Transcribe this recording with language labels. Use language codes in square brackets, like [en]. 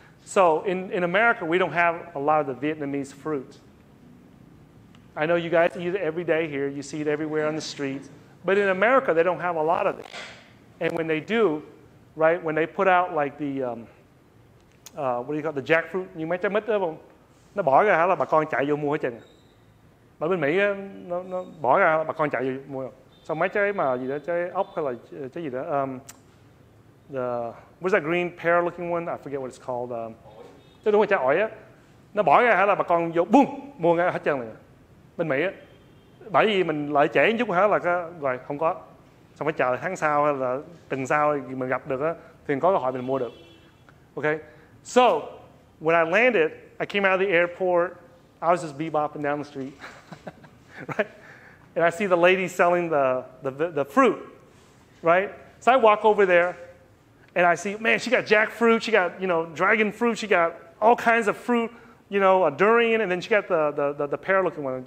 [en] So in America, we don't have a lot of the Vietnamese fruit. I know you guys eat it every day here. You see it everywhere on the streets. But in America, they don't have a lot of it. And when they do, right, when they put out like the, what do you call it, the jackfruit? [vi] Nhưng mấy trái mít đó không? Nó bỏ ra là bà con chạy vô mua hết trơn. Ở bên Mỹ nó bỏ ra là bà con chạy vô mua. Xong mấy trái mà gì đó, trái ốc hay là trái gì đó. [en] What is that green pear looking one? I forget what it's called. [vi] Chứ đúng là trái ổi á. Nó bỏ ra hả là bà con vô, boom, mua ngay hết trơn này. Bên Mỹ á. Bởi vì mình lại trễ chút hả là rồi không có. Xong phải chờ tháng sau hay là tuần sau mình gặp được á. Thì có cơ hội mình mua được. [en] Okay. So, when I landed, I came out of the airport, I was just bebopping down the street, right? And I see the lady selling the fruit, right? So I walk over there, and I see, man, she got jackfruit, she got, you know, dragon fruit, she got all kinds of fruit, you know, a durian, and then she got the pear-looking one.